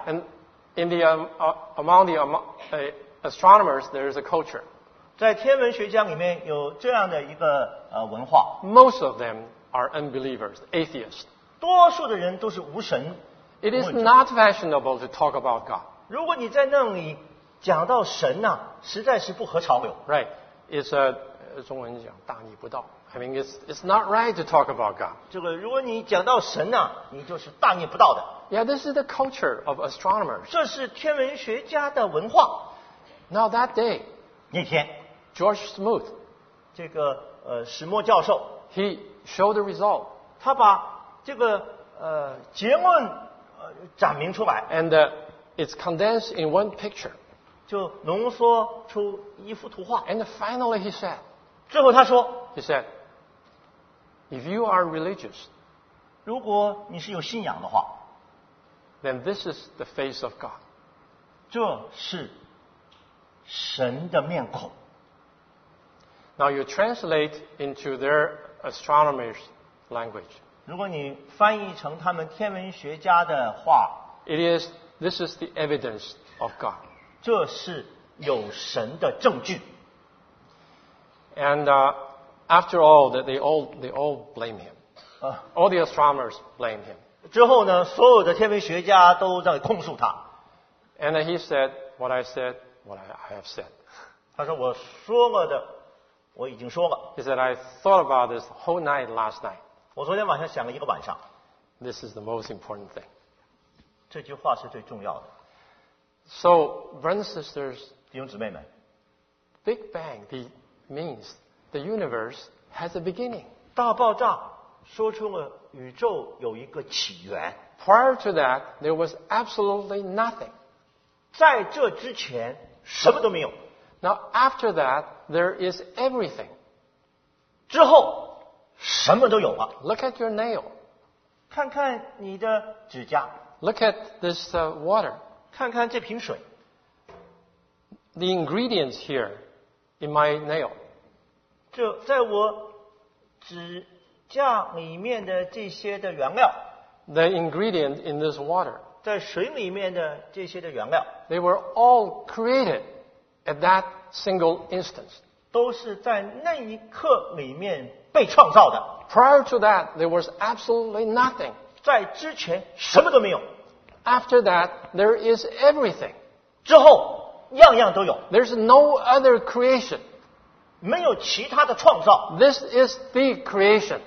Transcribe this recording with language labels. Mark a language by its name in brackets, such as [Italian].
[English] And in the among the astronomers, there is a culture. [Chinese] 在天文学家里面有这样的一个文化。 [English] Most of them are unbelievers, atheists. [Chinese] 多数的人都是无神。 [English] It is not fashionable to talk about God. [Chinese] 如果你在那里讲到神呢，实在是不合潮流。 [English] Right, it's a [Chinese] 中文讲大逆不道。 [English] I mean, it's not right to talk about God. [Chinese] 这个，如果你讲到神呢，你就是大逆不道的。 [English] Yeah, this is the culture of astronomers. [Chinese] 这是天文学家的文化。 [English] Now that day, [Chinese] 那天 [English] ，George Smoot, [Chinese] 这个史默教授 [English] ，he showed the result. [Chinese] 他把这个结论展明出来。 [English] And it's condensed in one picture. [Chinese] 就浓缩出一幅图画。 [English] And finally, he said. [Chinese] 最后他说。 [English] He said, if you are religious, [Chinese] 如果你是有信仰的话, [English] then this is the face of God. [Chinese] 这是神的面孔。 [English] Now you translate into their astronomer's language. [Chinese] 如果你翻译成他们天文学家的话, [English] this is the evidence of God. [Chinese] 这是有神的证据。 [English] And, After all, that they all blame him. All the astronomers blame him. [Chinese] 之后呢，所有的天文学家都在控诉他。 [English] And he said, "What I said, what I have said." [Chinese] 他说我说了的，我已经说了。 [English] He said, "I thought about this whole night last night." [Chinese] 我昨天晚上想了一个晚上。 [English] This is the most important thing. [Chinese] 这句话是最重要的。 [English] So, brothers and sisters, [Chinese] 弟兄姊妹们 [English] ，Big Bang means. The universe has a beginning. [Chinese] 大爆炸说出了宇宙有一个起源。 [English] Prior to that, there was absolutely nothing. [Chinese] 在这之前什么都没有。 [English] Now after that, there is everything. [Chinese] 之后什么都有了。 [English] Look at your nail. [Chinese] 看看你的指甲。 [English] Look at this water. [Chinese] 看看这瓶水。 [English] The ingredients here in my nail. [Chinese] 就在我指甲里面的这些的原料 [English] The ingredient in this water [Chinese] 在水里面的这些的原料 [English] They were all created at that single instance [Chinese] 都是在那一刻里面被创造的 [English] Prior to that, there was absolutely nothing [Chinese] 在之前什么都没有 [English] After that, there is everything [Chinese] 之后样样都有 [English] There's no other creation [Chinese] 没有其他的创造。 [English] This is the creation.